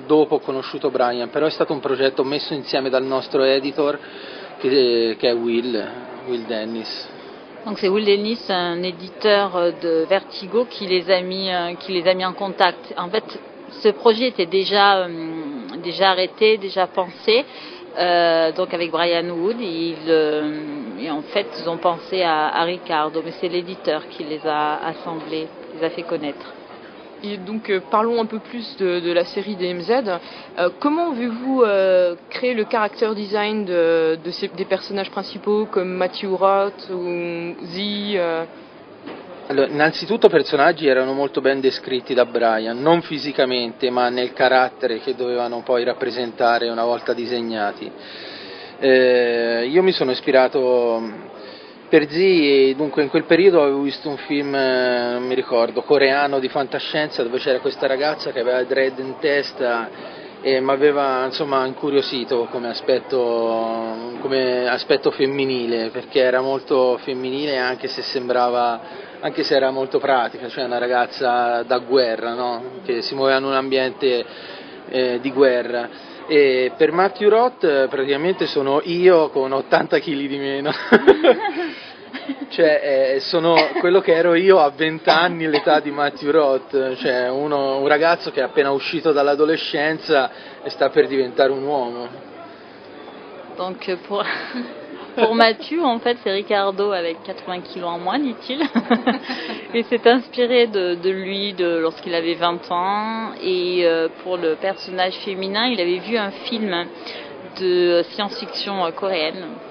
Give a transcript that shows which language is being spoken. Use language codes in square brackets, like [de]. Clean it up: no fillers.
[it] Dopo ho conosciuto Brian, però è stato un progetto messo insieme dal nostro editor che è Will Dennis. [fr] Donc c'est Will Dennis, un éditeur de Vertigo, qui les a mis en contact. En fait, ce projet était déjà arrêté, déjà pensé, donc avec Brian Wood. Et en fait, ils ont pensé à Ricardo, mais c'est l'éditeur qui les a assemblés, les a fait connaître. Et donc parlons un peu plus de la série DMZ. Comment avez-vous créé le character design des personnages principaux comme Matthew Roth ou Z? [it] Allora, innanzitutto i personaggi erano molto ben descritti da Brian, non fisicamente, ma nel carattere che dovevano poi rappresentare una volta disegnati. Io mi sono ispirato per Z, e dunque in quel periodo avevo visto un film, non mi ricordo, coreano di fantascienza, dove c'era questa ragazza che aveva dread in testa e mi aveva, insomma, incuriosito come aspetto femminile, perché era molto femminile anche se era molto pratica, cioè una ragazza da guerra, no? Che si muoveva in un ambiente di guerra. E per Matthew Roth praticamente sono io con 80 kg di meno, cioè sono quello che ero io a 20 anni, l'età di Matthew Roth, cioè un ragazzo che è appena uscito dall'adolescenza e sta per diventare un uomo. [fr] Donc pour Matthew, en fait, c'est Ricardo avec 80 kilos en moins, dit-il. Il s'est inspiré de lui de lorsqu'il avait 20 ans. Et pour le personnage féminin, il avait vu un film de science-fiction coréenne.